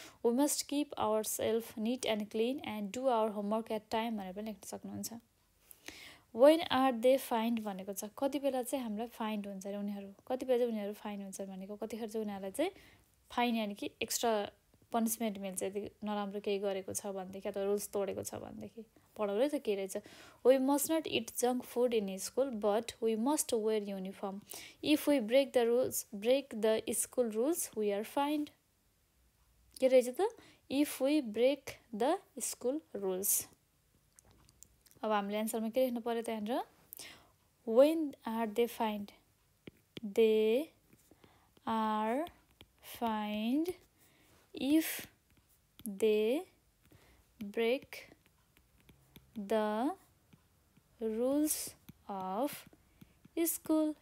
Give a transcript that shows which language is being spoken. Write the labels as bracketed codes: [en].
[en] we must keep our self neat and clean and do our homework at time [ne] भनेर पनि लेख्न सक्नुहुन्छ. [en] when are they fined [ne] भनेको छ, कति बेला चाहिँ हामीलाई फाइन्ड हुन्छ अरे उनीहरू, कति बेला चाहिँ उनीहरू फाइन हुन्छ भनेको, कतिखेर चाहिँ उनीहरूलाई चाहिँ फाइन यानि कि एक्स्ट्रा पनिसमेन्ट मिल्छ यदि नराम्रो केही गरेको छ भनेदेखि, अथवा रुल्स तोडेको छ भनेदेखि. पढाउँदै त के रहेछ, [en] We must not eat junk food in school but we must wear uniform. If we break the rules, break the school rules, we are fined. [ne] के रहेछ त? [en] If we break the school rules. [ne] अब हामीले एन्सरमा के लेख्नु पऱ्यो त्यहाँनिर? [en] When are they fined, they are fined if they break the rules of school.